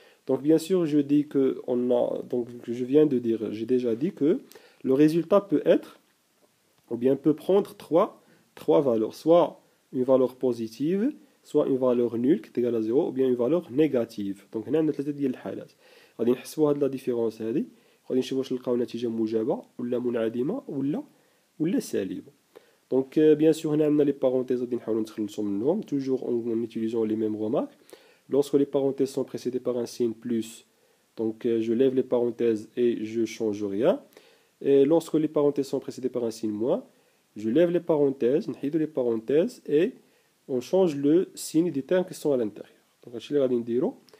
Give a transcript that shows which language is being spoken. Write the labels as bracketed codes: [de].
[fr] Donc bien sûr, je dis que on a, donc je viens de dire, j'ai déjà dit que le résultat peut être, ou bien peut prendre trois valeurs, soit une valeur positive, soit une valeur nulle qui est égale à 0, ou bien une valeur négative. Donc on a une telle idée de halat. On dit soit la différence [ar] هذه, [fr] on dit [ar] شوفوا شلقاو نتيجة موجبة ولا منعدمة ولا سالبة. [fr] Donc bien sûr, on a les parenthèses, on dit [ar] نحاولوا نتخلصوا منهم, [fr] toujours en utilisant les mêmes remarques. Lorsque les parenthèses sont précédées par un signe plus, donc je lève les parenthèses et je ne change rien. Et lorsque les parenthèses sont précédées par un signe moins, je lève les parenthèses et on change le signe des termes qui sont à l'intérieur. Donc, je vais vous dire.